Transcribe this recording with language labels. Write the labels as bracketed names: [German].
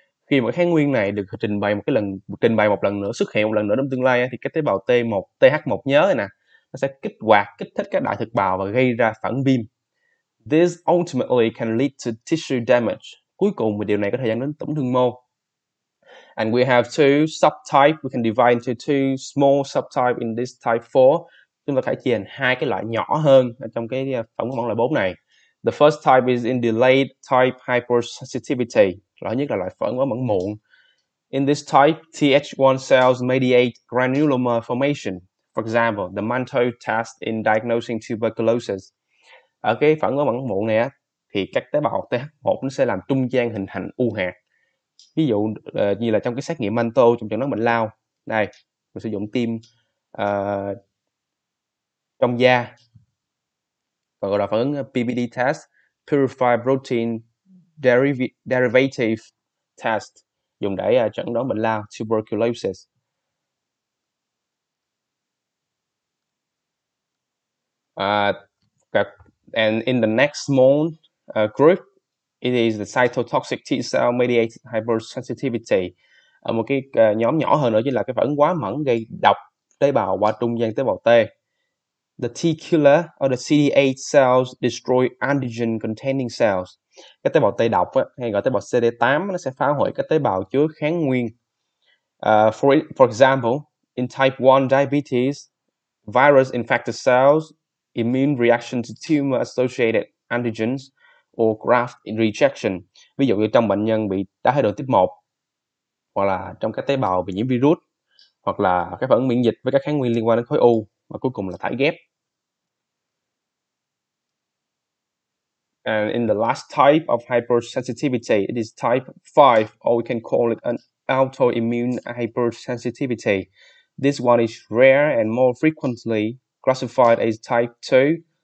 [Vietnamese] Khi mà kháng nguyên này được trình bày một lần nữa, xuất hiện một lần nữa trong tương lai, thì cái tế bào Th1 nhớ này nè, nó sẽ kích hoạt, kích thích các đại thực bào và gây ra phản viêm. [English] This ultimately can lead to tissue damage. [Vietnamese] Cuối cùng thì điều này có thể dẫn đến tổn thương mô. [English] And we have two subtypes. We can divide into two small subtypes in this type 4. [Vietnamese] Chúng ta có thể chia thành hai cái loại nhỏ hơn trong cái tổng của loại 4 này. [English] The first type is in delayed type hypersensitivity. [Vietnamese] Loại nhất là loại phản ứng mẫn muộn. [English] In this type, Th1 cells mediate granuloma formation. For example, the mantle test in diagnosing tuberculosis. [Vietnamese] Ở cái phản ứng mẫn muộn này thì các tế bào Th1 nó sẽ làm trung gian hình thành u hạt. Ví dụ như là trong cái xét nghiệm mantle trong chẩn đoán bệnh lao. Đây, mình sử dụng tim trong da. Và gọi là phản ứng PBD test, purified protein derivative test, dùng để chẩn đoán bệnh lao tuberculosis. [English] And in the next small group, it is the cytotoxic T cell mediated hypersensitivity. [Vietnamese] Ở một cái nhóm nhỏ hơn nữa chính là cái phản ứng quá mẫn gây độc tế bào qua trung gian tế bào T. [English] The T killer or the CD8 cells destroy antigen containing cells. [Vietnamese] Cái tế bào T độc hay gọi tế bào CD8 nó sẽ phá hủy các tế bào chứa kháng nguyên. [English] For example, in type 1 diabetes, virus infected cells, immune reaction to tumor associated antigens or graft rejection. [Vietnamese] Ví dụ như trong bệnh nhân bị đái tháo đường type 1 hoặc là trong các tế bào bị nhiễm virus hoặc là các phản ứng miễn dịch với các kháng nguyên liên quan đến khối u và cuối cùng là thải ghép. [English] And in the last type of hypersensitivity, it is type 5, or we can call it an autoimmune hypersensitivity. This one is rare and more frequently classified as type 2.